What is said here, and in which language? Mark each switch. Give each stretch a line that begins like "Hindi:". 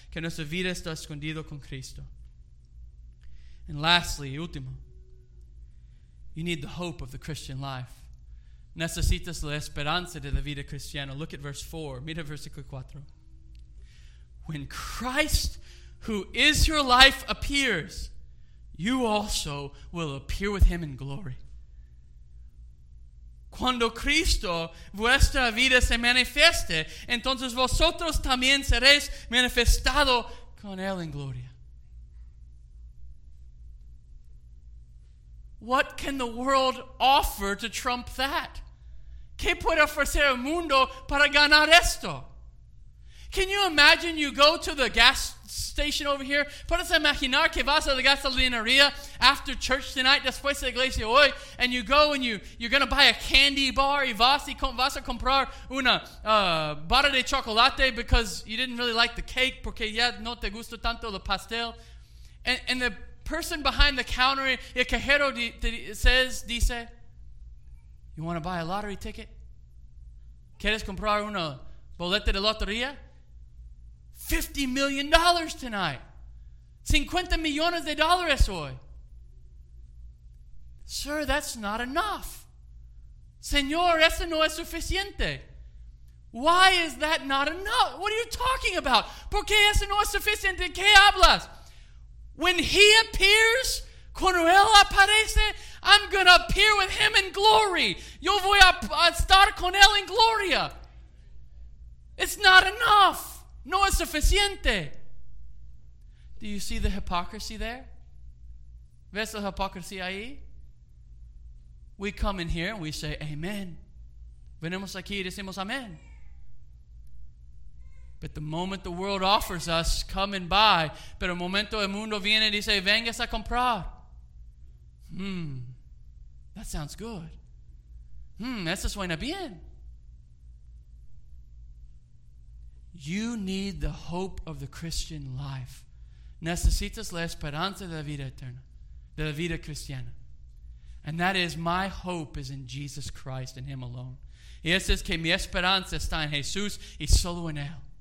Spanish: Que nuestra vida está escondido con Cristo.
English: And lastly, último, you need the hope of the Christian life.
Spanish: Necesitas la esperanza de la vida cristiana.
English: Look at verse 4.
Spanish: Mira versículo 4.
English: When Christ, who is your life, appears, you also will appear with him in glory.
Spanish: Cuando Cristo, vuestra vida, se manifieste, entonces vosotros también seréis manifestado con él en gloria.
English: What can the world offer to trump that?
Spanish: ¿Qué puede ofrecer el mundo para ganar esto?
English: Can you imagine you go to the gas station over here?
Spanish: ¿Puedes imaginar que vas a la gasolinería
English: after church tonight,
Spanish: después de la iglesia hoy,
English: and you go and you're going to buy a candy bar
Spanish: y vas a comprar una barra de chocolate
English: because you didn't really like the cake
Spanish: porque ya no te gustó tanto el pastel?
English: And the person behind the counter,
Spanish: el cajero dice,
English: "You want to buy a lottery ticket?
Spanish: ¿Quieres comprar una boleta de lotería?
English: $50 million tonight.
Spanish: 50 millones de dólares hoy."
English: "Sir, that's not enough."
Spanish: "Señor, eso no es suficiente."
English: "Why is that not enough? What are you talking about?
Spanish: ¿Por qué eso no es suficiente? ¿Qué hablas?"
English: When he appears,
Spanish: cuando él aparece,
English: I'm going to appear with him in glory.
Spanish: Yo voy a estar con él en gloria.
English: It's not enough.
Spanish: No es suficiente.
English: Do you see the hypocrisy there?
Spanish: ¿Ves la hipocresía ahí?
English: We come in here and we say, "Amen."
Spanish: Venimos aquí y decimos, "Amen."
English: But the moment the world offers us, "Come and buy."
Spanish: Pero el momento el mundo viene y dice, "Vengas a comprar."
English: That sounds good.
Spanish: Eso suena bien.
English: You need the hope of the Christian life.
Spanish: Necesitas la esperanza de la vida eterna, de la vida cristiana.
English: And that is, my hope is in Jesus Christ and Him alone.
Spanish: Y eso es que mi esperanza está en Jesús y solo en Él.